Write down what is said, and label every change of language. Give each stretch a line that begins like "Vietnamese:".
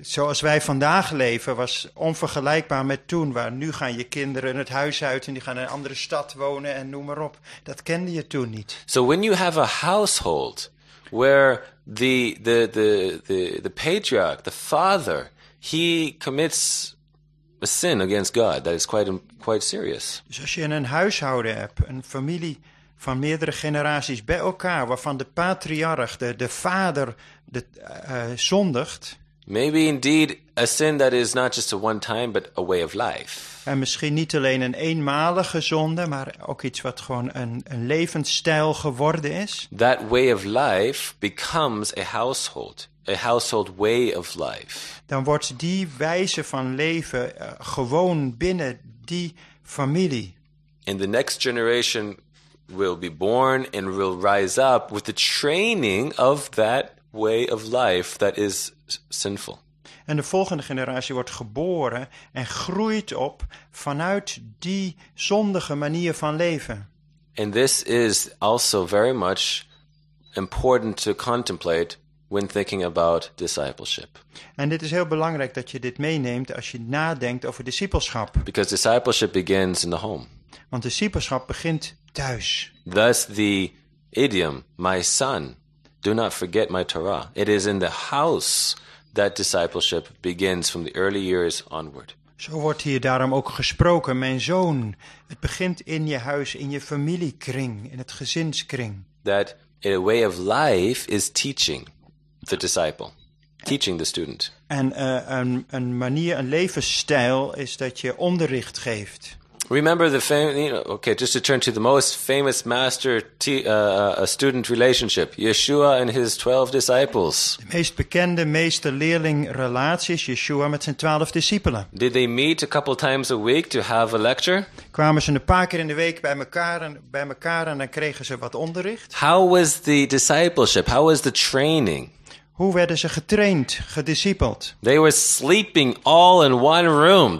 Dutch: Zoals wij vandaag leven was onvergelijkbaar met toen, waar nu gaan je kinderen het huis uit en die gaan in een andere stad wonen en noem maar op. Dat kende je toen niet.
English: So when you have a household where the patriarch, the father, he commits a sin against God, that is quite serious.
Dutch: Dus als je een huishouden hebt, een familie van meerdere generaties bij elkaar, waarvan de patriarch, de vader, zondigt.
English: Maybe indeed a sin that is not just a one time, but a way of life.
Dutch: En misschien niet alleen een eenmalige zonde, maar ook iets wat gewoon een levensstijl geworden is.
English: That way of life becomes a household way of life.
Dutch: Dan wordt die wijze van leven gewoon binnen die familie.
English: And the next generation will be born and will rise up with the training of that way of life that is sinful.
Dutch: En de volgende generatie wordt geboren en groeit op vanuit die zondige manier van leven.
English: And this is also very much important to contemplate when thinking about discipleship.
Dutch: En dit is heel belangrijk dat je dit meeneemt als je nadenkt over discipelschap.
English: Because discipleship begins in the home.
Dutch: Want discipelschap begint thuis.
English: Thus the idiom, my son, do not forget my Torah. It is in the house that discipleship begins from the early years onward.
Dutch: Zo wordt hier daarom ook gesproken, mijn zoon. Het begint in je huis, in je familiekring, in het gezinskring.
English: That a way of life is teaching. The disciple, teaching the student.
Dutch: En een manier, een levensstijl is dat je onderricht geeft.
English: Remember the just to turn to the most famous master student relationship, Yeshua and his 12 disciples.
Dutch: De meest bekende meester-leerling relaties, Yeshua met zijn 12 discipelen.
English: Did they meet a couple times a week to have a lecture?
Dutch: Kwamen ze een paar keer in de week bij elkaar en dan kregen ze wat onderricht.
English: How was the discipleship? How was the training?
Dutch: Hoe werden ze getraind, gediscipeld?
English: They were sleeping all in one room.